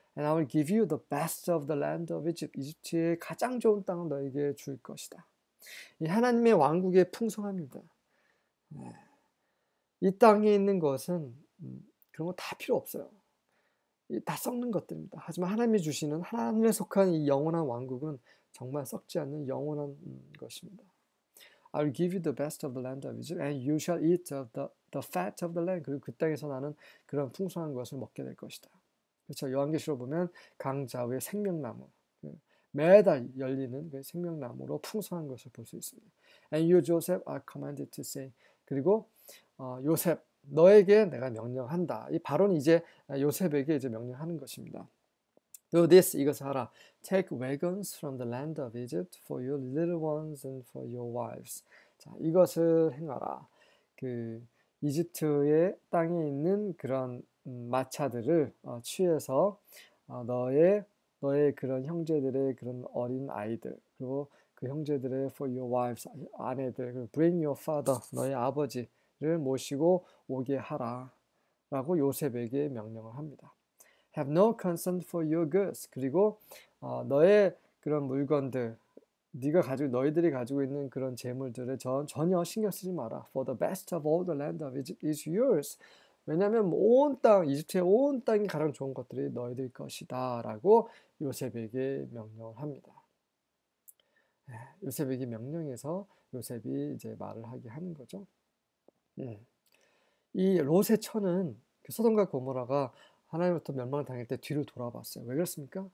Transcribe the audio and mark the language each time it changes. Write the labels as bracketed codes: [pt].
[en] And I will give you the best of the land of Egypt. [ko] 이집트의 가장 좋은 땅을 너에게 줄 것이다. 이 하나님의 왕국의 풍성함입니다. 이 땅에 있는 것은 그런 거다 필요 없어요. 다 썩는 것들입니다. 하지만 하나님이 주시는 하나님에 속한 이 영원한 왕국은 정말 썩지 않는 영원한 것입니다. [en] I'll give you the best of the land of Egypt and you shall eat of the fat of the land. [ko] 그리고 그 땅에서 나는 그런 풍성한 것을 먹게 될 것이다. 그렇죠? 요한계시록 보면 강자 위에 생명나무, 매달 열리는 그 생명나무로 풍성한 것을 볼수 있습니다. [en] And you, Joseph, are commanded to say. [ko] 그리고 요셉 너에게 내가 명령한다. 이 발언이 이제 요셉에게 이제 명령하는 것입니다. [en] Do this, [ko] 이것을 하라. [en] Take wagons from the land of Egypt for your little ones and for your wives. [ko] 자, 이것을 행하라. 그 이집트의 땅에 있는 그런 마차들을 취해서 너의 그런 형제들의 그런 어린 아이들 그리고 그 형제들의 [en] for your wives [ko] 아내들 그리고 [en] bring your father [ko] 너의 아버지를 모시고 오게 하라라고 요셉에게 명령을 합니다. [en] Have no concern for your goods [ko] 그리고 너의 그런 물건들 네가 가지고 너희들이 가지고 있는 그런 재물들을 전혀 신경 쓰지 마라. [en] For the best of all the land of Egypt is yours. [ko] 왜냐하면 온 땅, 이집트의 온 땅이 가장 좋은 것들이 너희들 것이다 라고 요셉에게 명령합니다. 요셉에게 명령해서 요셉이 이제 말을 하게 하는 거죠. 이 롯의 처는 그 소돔과 고모라가 하나님부터 멸망을 당할 때 뒤를 돌아봤어요. 왜 그랬습니까?